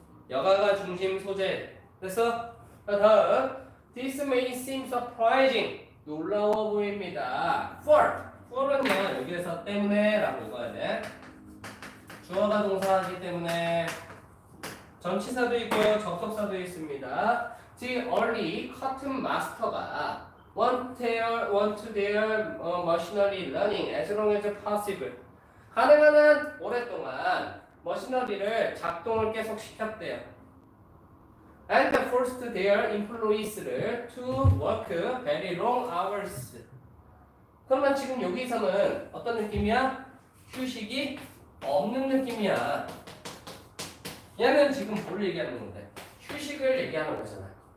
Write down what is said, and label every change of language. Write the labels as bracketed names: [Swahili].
[Korean] 여가가 중심 소재. 됐어? 자 다음. [English] This may seem surprising. [Korean] 놀라워 보입니다. [English] For. [Korean] For은요 여기에서 때문에라고 읽어야 돼. 주어가 동사하기 때문에 전치사도 있고 접속사도 있습니다. [English] The early cotton master가 want their machinery learning as long as possible. [Korean] 가능하면 오랫동안 머신러리를 작동을 계속 시켰대요. [English] And forced their employees to work very long hours. [Korean] 그러면 지금 여기서는 어떤 느낌이야? 휴식이 없는 느낌이야. 얘는 지금 뭘 얘기하는 건데? 휴식을 얘기하는 거잖아.